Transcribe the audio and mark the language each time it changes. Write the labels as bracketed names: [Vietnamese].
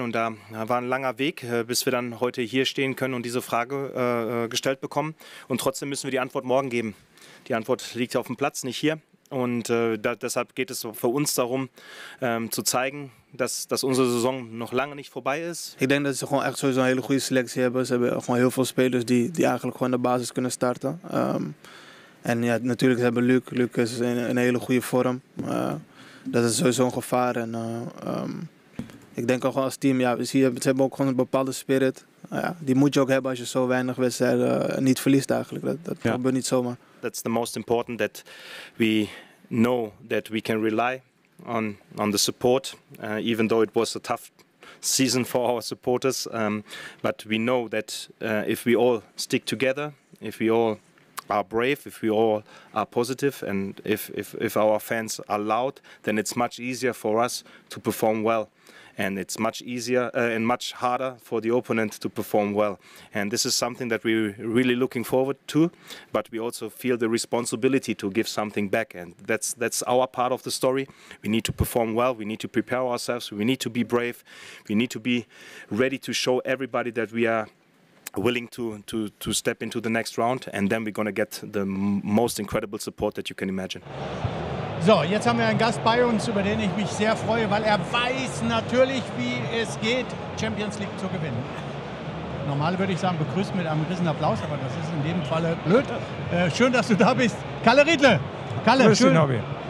[German] Und da war ein langer Weg, bis wir dann heute hier stehen können und diese Frage gestellt bekommen. Und trotzdem müssen wir die Antwort morgen geben. Die Antwort liegt auf dem Platz, nicht hier. Und deshalb geht es für uns darum, zu zeigen, dass unsere Saison noch lange nicht vorbei ist. Ich denke, dass sie [Dutch] gewoon echt [German] sowieso eine [Dutch] hele goede selectie [German] haben. [Dutch] Ze hebben gewoon heel veel spelers die eigenlijk gewoon de basis kunnen starten. En ja, natuurlijk hebben Luc. Luc is in een hele goede vorm. Dat is sowieso een gevaar. En ik denk ook als team, ja, ze hebben ook gewoon een bepaalde spirit. Die moet je ook hebben als je zo weinig wedstrijden niet verliest eigenlijk. Dat gebeurt niet zomaar. [English] That's the most important that we know that we can rely on the support, even though it was a tough season for our supporters. But we know that if we all stick together, if we all are brave, if we all are positive, and if our fans are loud, then it's much easier for us to perform well. And it's much easier and much harder for the opponent to perform well. And this is something that we're really looking forward to, but we also feel the responsibility to give something back. And that's our part of the story. We need to perform well. We need to prepare ourselves. We need to be brave. We need to be ready to show everybody that we are willing to step into the next round. And then we're going to get the most incredible support that you can imagine. [German] So, jetzt haben wir einen Gast bei uns, über den ich mich sehr freue, weil er weiß natürlich, wie es geht, Champions League zu gewinnen. Normal würde ich sagen, begrüßt mit einem riesen Applaus, aber das ist in dem Falle blöd. Schön, dass du da bist. Kalle Riedle. Kalle, grüß schön. Nobby.